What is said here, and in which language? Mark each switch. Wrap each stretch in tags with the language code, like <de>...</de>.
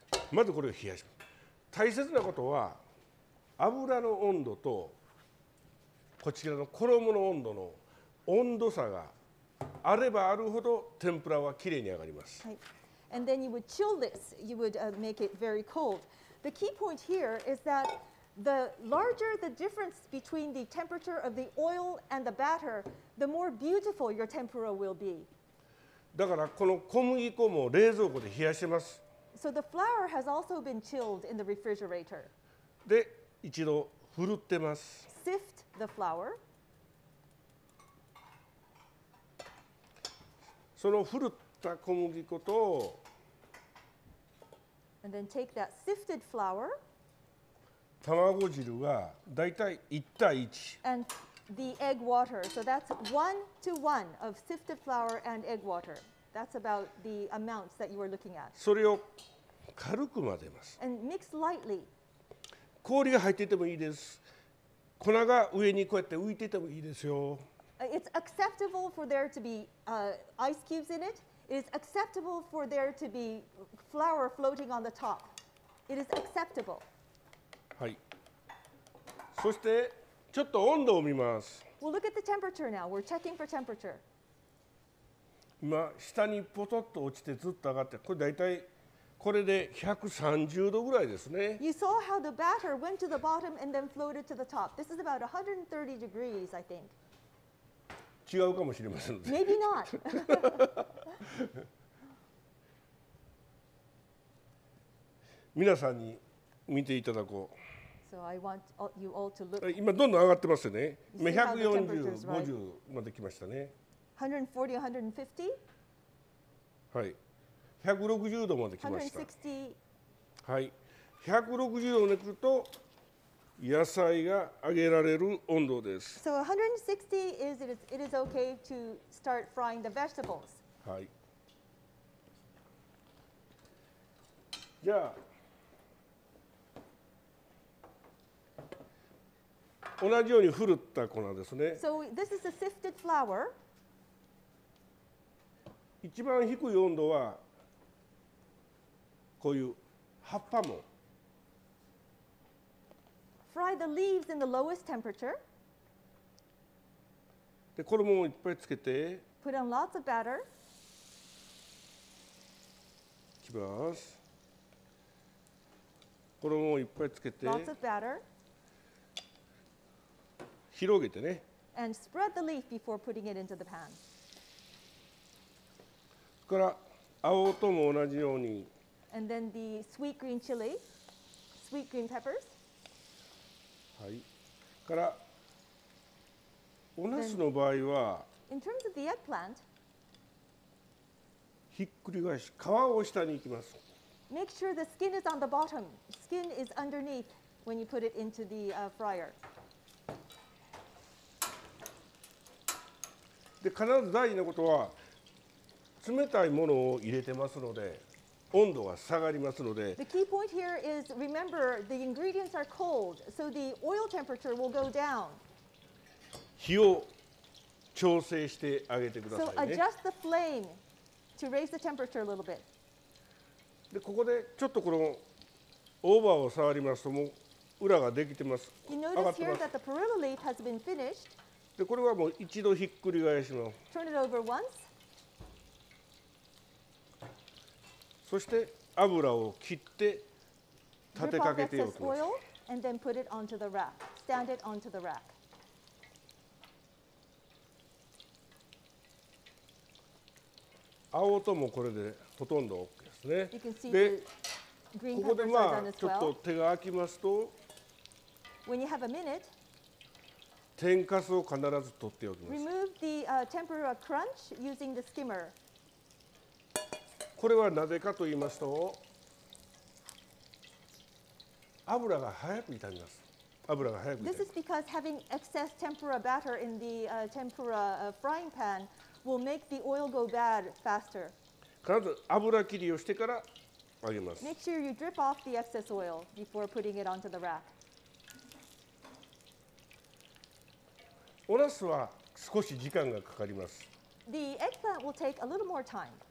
<ja>まずこれを冷やします。大切なことは油の温度とこちらの衣の温度の温度差があればあるほど天ぷらはきれいに揚がります。はい。</ja> <en>And then you would chill this. You would make it very cold. The key point here is that the larger the difference between the temperature of the oil and the batter, the more beautiful your tempura will be.</en> <ja>だからこの小麦粉も冷蔵庫で冷やします。</ja> <en>So the flour has also been chilled in the refrigerator.</en> <ja>で、一度ふるってます。</ja> <en>Sift the flour.</en> <ja>そのふるった小麦粉と、</ja> <en>And then take that sifted flour.</en> <ja>卵汁がだいたい1対1。</ja> <en>And the egg water. So that's 1:1 of sifted flour and egg water. That's about the amounts that you are looking at.</en> <ja>それを軽く混ぜます。</ja> <en>And mix lightly.</en> <ja>氷が入っていてもいいです。粉が上にこうやって浮いていてもいいですよ。</ja> <en>It's acceptable for there to be ice cubes in it. It is acceptable for there to be flour floating on the top. It is acceptable.</en> <ja>はい。そしてちょっと温度を見ます。</ja> <en>We'll look at the temperature now. We're checking for temperature.</en> <ja>今下にポトッと落ちてずっと上がって、これだいたいこれで130度ぐらいですね。</ja> <en>You saw how the batter went to the bottom and then floated to the top. This is about 130 degrees, I think.</en> <ja>違うかもしれませんので。</ja> <en>Maybe not.</en> <ja>みなさんに見ていただこう。</ja> <en>So I want you all to look.</en> <ja>今どんどん上がってますよね。今140、50まで来ましたね。 140, 150? はい。160度まで来ました。 160. はい。 160度まで来ると野菜が揚げられる温度です。</ja> <en>So 160 is it is okay to start frying the vegetables.</en> <ja>はい。じゃあ同じようにふるった粉ですね。</ja> <en>So this is the sifted flour.</en> <ja>一番低い温度はこういう葉っぱも。</ja> <en>Fry the leaves in the lowest temperature.</en> <ja>で、衣をいっぱいつけて。</ja> <en>Put on lots of batter.</en> <ja>いきます。衣をいっぱいつけて。</ja> <en>Lots of batter.</en> <ja>広げてね。</ja> <en>And spread the leaf before putting it into the pan.</en> <ja>それから青とも同じように。</ja> <en>And then the sweet green chili, sweet green peppers.</en> <ja>はい。からおナスの場合は、</ja> <en>In terms of the eggplant,</en> <ja>ひっくり返し、皮を下に行きます。</ja> <en>Make sure the skin is on the bottom. Skin is underneath when you put it into the fryer.</en> <ja>で、必ず大事なことは、冷たいものを入れてますので。温度が下がりますので。</ja> <en>The key point here is remember the ingredients are cold, so the oil temperature will go down.</en> <ja>火を調整してあげてくださいね。</ja> <en>So adjust the flame to raise the temperature a little bit.</en> <ja>でここでちょっとこのオーバーを触りますともう裏ができてます。</ja> <en>You notice here that the perilla leaf has been finished.</en> <ja>でこれはもう一度ひっくり返します。</ja> <en>Turn it over once.</en> <ja>そして油を切って立てかけておきます。</ja> <en>Oil and then put it onto the rack. Stand it onto the rack.</en> <ja>青ともこれでほとんど OK ですね。</ja> <en>You can see the green peppers are done as well.</en> <ja>ここでまあちょっと手が空きますと、</ja> <en>When you have a minute,</en> <ja>天かすを必ず取っておきます。</ja> <en>Remove the tempura crunch using the skimmer.</en> <ja>これはなぜかと言いますと、油が早く傷みます。油が早く。</ja> <en>This is because having excess tempura batter in the tempura frying pan will make the oil go bad faster.</en> <ja>必ず油切りをしてから揚げます。</ja> <en>Make sure you drip off the excess oil before putting it onto the rack.</en> <ja>おナスは少し時間がかかります。</ja> <en>The eggplant will take a little more time.</en>